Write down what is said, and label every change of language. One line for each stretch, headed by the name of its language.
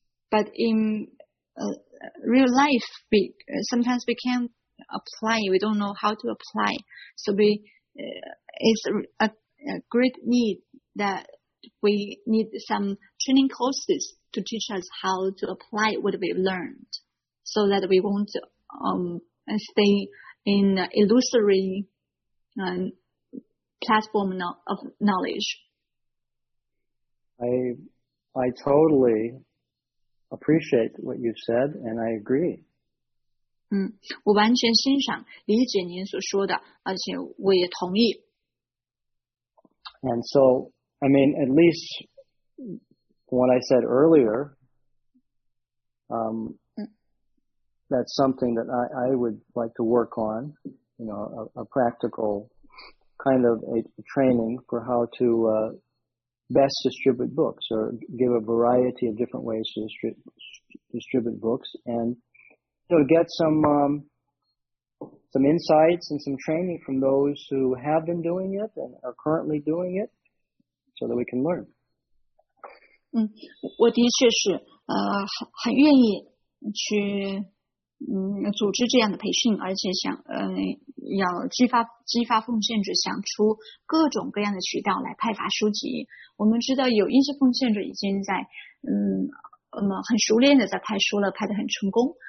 English: But in real life, sometimes we can't apply, we don't know how to apply, so we it's a great need that we need some training courses to teach us how to apply what we've learned so that we won't stay in illusory platform of knowledge. I totally appreciate what you said and I agree.
Chinese: 我完全欣赏理解您所说的，而且我也同意。
English: And so, I mean, at least what I said earlier, that's something that I would like to work on, you know, a practical kind of a training for how to best distribute books or give a variety of different ways to distribute books and. So get some insights and some training from those who have been doing it and are currently doing it so that we can learn.
Chinese: 我的确是很愿意去组织这样的培训，而且想要激发奉献者，想出各种各样的渠道来派发书籍。我们知道有一些奉献者已经在很熟练的在派书了，派得很成功。